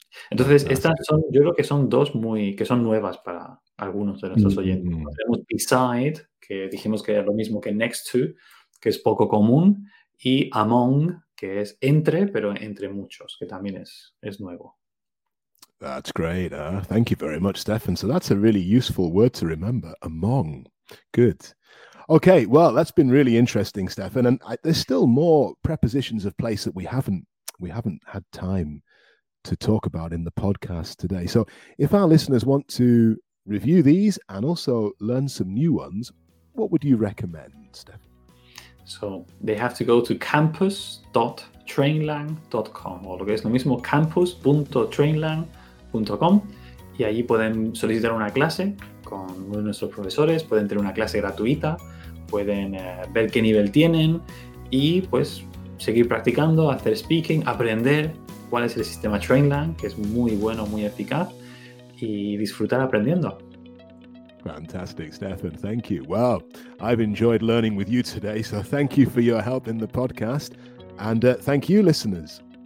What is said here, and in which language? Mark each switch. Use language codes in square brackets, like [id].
[es] Entonces estas son, yo creo que son dos muy, que son nuevas para algunos de nuestros oyentes. Tenemos beside, que dijimos que era lo mismo que next to, que es poco común, y among, que es entre, pero entre muchos, que también es nuevo. [en] That's great. Thank you very much, Stefan. So that's a really useful word to remember, among. Good. Okay, well, that's been really interesting, Stefan. And there's still more prepositions of place that we haven't had time to talk about in the podcast today. So if our listeners want to review these and also learn some new ones, what would you recommend, Stefan? So they have to go to [es] campus.trainlang.com o lo que es lo mismo, campus.trainlang.com, y allí pueden solicitar una clase con uno de nuestros profesores, pueden tener una clase gratuita, pueden ver qué nivel tienen y pues seguir practicando, hacer speaking, aprender cuál es el sistema Trainland, que es muy bueno, muy eficaz, y disfrutar aprendiendo. [en] Fantastic, Stefan. Thank you. Well, I've enjoyed learning with you today, so thank you for your help in the podcast. And thank you, listeners.